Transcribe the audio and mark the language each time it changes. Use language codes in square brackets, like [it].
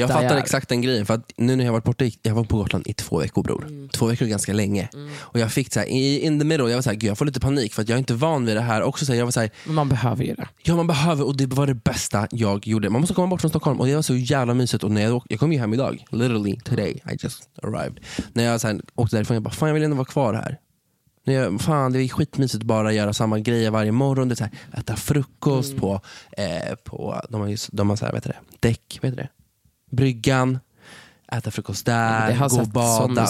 [sv] jag fattar jag exakt den grejen. För att nu när jag varit borta, jag var på Gotland i 2 veckor, bror. Mm. 2 veckor ganska länge. Mm. Och jag fick så här, [en] in the middle, [sv] jag var så här, gud, jag får lite panik. För att jag är inte van vid det här. Också, så här, jag var så här, men man behöver ju det. Ja, man behöver. Och det var det bästa jag gjorde. Man måste komma bort från Stockholm. Och det var så jävla mysigt. Och när jag kom ju hem idag. [en] Literally today, I just arrived. [sv] När jag så här, åkte därifrån, jag bara, fan, jag vill ändå vara kvar här. Nej, fan, det är skitmysigt att bara göra samma grejer varje morgon. Det är så här, äta frukost på de har så här, vet du det? Däck, vet du det? Bryggan, äta frukost där, ja, gå och bada.